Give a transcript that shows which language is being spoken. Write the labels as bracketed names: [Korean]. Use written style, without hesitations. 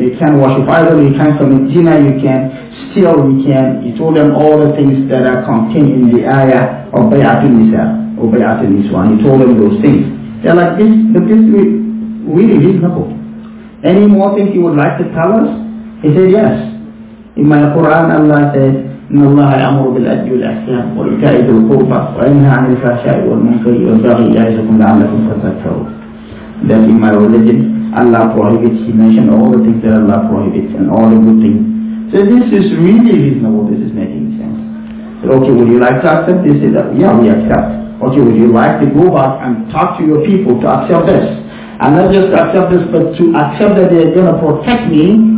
[English] You can't worship idols, you can't commit zina, you can't steal, you can't. He told them all the things that are contained in the ayah of Bay'at al-Nisa, or Bay'at al-Niswa. He told them those things. They're like, this, but this is really reasonable. Any more things you would like to tell us? He said, yes. In my Quran, Allah said, [Arabic] إِنَّ اللَّهَ يَأْمُرُ بِالْعَدْلِ وَالْإِحْسَانِ وَإِيتَاءِ ذِي الْقُرْبَى وَيَنْهَى عَنِ الْفَحْشَاءِ وَالْمُنكَرِ وَالْبَغْيِ يَعِظُكُمْ لَعَلَّكُمْ تَذَكَّرُونَ. [English] That in my religion, Allah prohibits. He mentioned all the things that Allah prohibits and all the good things. So this is really reasonable. This is making sense. So, okay, would you like to accept this? He said, yeah, we accept. Okay, would you like to go back and talk to your people to accept this? And not just accept this, but to accept that they are going to protect me